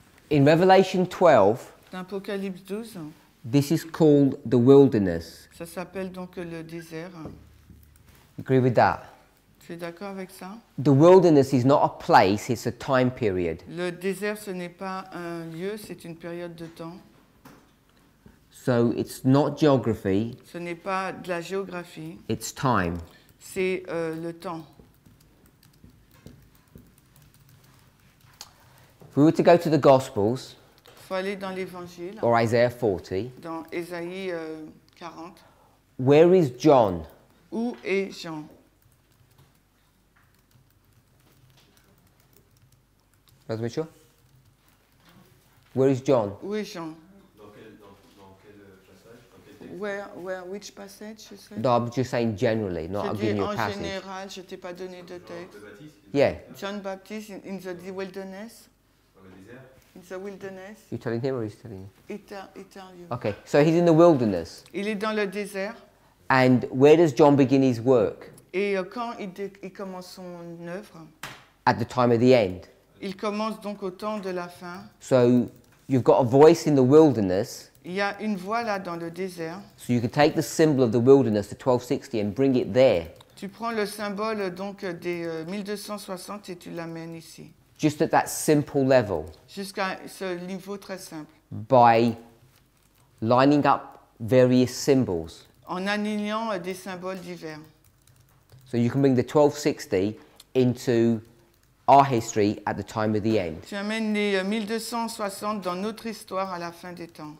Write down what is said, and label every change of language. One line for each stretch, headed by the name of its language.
English: In Revelation 12,
French: Apocalypse 12,
English: this is called the wilderness.
French: Ça s'appelle donc le désert.
English: Agree with that?
French: Tu es d'accord avec ça?
English: The wilderness is not a place, it's a time period.
French: Le désert, ce n'est pas un lieu, c'est une période de temps.
English: So it's not geography.
French: Ce n'est pas de la géographie.
English: It's time.
French: C'est le temps.
English: If we were to go to the Gospels,
French: il faut aller dans l'Évangile,
English: or Isaiah 40,
French: dans Ésaïe 40,
English: where is John?
French: Où est Jean?
English: Let's make sure. Where is John?
French: Où est Jean? Dans quel passage?
English: Which passage? No, I'm just saying generally, not giving you a
French: général,
English: passage.
French: En général, je t'ai pas donné de texte.
English: Yeah. John Baptist in the wilderness.
French: Dans le désert.
English: In the wilderness. You telling him or he's telling you? He tell you. Okay, so he's in the wilderness.
French: Il est dans le désert.
English: And where does John begin his work?
French: Et quand il commence son œuvre?
English: At the time of the end.
French: Il commence donc au temps de la fin.
English: So, you've got a voice in the wilderness.
French: Il y a une voix là dans le désert.
English: So you can take the symbol of the wilderness, the 1260, and bring it there.
French: Tu prends le symbole donc des 1260 et tu l'amènes ici.
English: Just at that simple level.
French: Jusqu'à ce niveau très simple.
English: By lining up various symbols.
French: En alignant des symboles divers.
English: So you can bring the 1260 into our history at the time of the end.
French: Tu amènes les 1260 dans notre histoire à la fin des temps.